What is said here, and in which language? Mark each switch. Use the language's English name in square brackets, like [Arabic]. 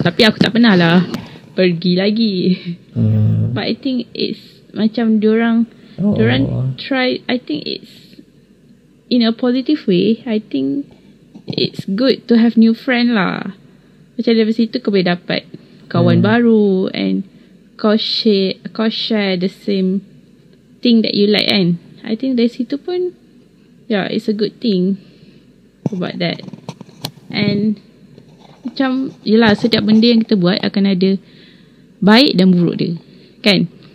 [Malay] Tapi aku tak pernah lah pergi lagi. [English] But I think it's [Malay] macam diorang [English] try, I think it's in a positive way. I think it's good to have new friend lah. [Malay] Macam dari situ kau boleh dapat kawan baru [English] and [Malay] kau [English] share the same thing that you like [Malay] kan. [English] I think [Malay] dari situ pun [English] yeah, it's a good thing about that. [Malay] And macam yelah, setiap benda yang kita buat akan ada baik dan buruk dia kan.